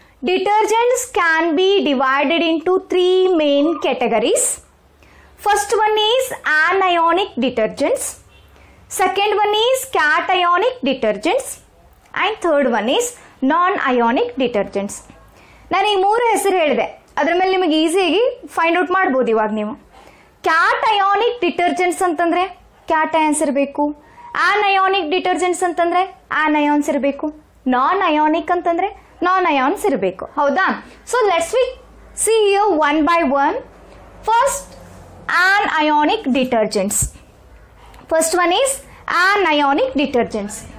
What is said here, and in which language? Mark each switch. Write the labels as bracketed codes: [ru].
[en] Detergents can be divided into three main categories. First one is anionic detergents, second one is cationic detergents and third one is non-ionic detergents. [kn] ನಾನು ಈ ಮೂರು ಹೆಸರು ಹೇಳಿದೆ, ಅದ್ರ ಮೇಲೆ ನಿಮಗೆ ಈಸಿಯಾಗಿ ಫೈಂಡ್ ಔಟ್ ಮಾಡ್ಬೋದು. ಇವಾಗ ನೀವು ಕ್ಯಾಟಯಾನಿಕ್ ಡಿಟರ್ಜೆಂಟ್ಸ್ ಅಂತಂದ್ರೆ ಕ್ಯಾಟ್ ಅಯಾನ್ಸ್ ಇರಬೇಕು, ಅನಯಾನಿಕ್ ಡಿಟರ್ಜೆಂಟ್ಸ್ ಅಂತಂದ್ರೆ ಆನ್ ಅಯಾನ್ಸ್ ಇರಬೇಕು, ನಾನ್ ಅಯಾನಿಕ್ ಅಂತಂದ್ರೆ ನಾನ್ ಅಯಾನ್ಸ್ ಇರಬೇಕು, ಹೌದಾ? [en] So let's we see you one by one. First anionic detergents. First one is anionic detergents.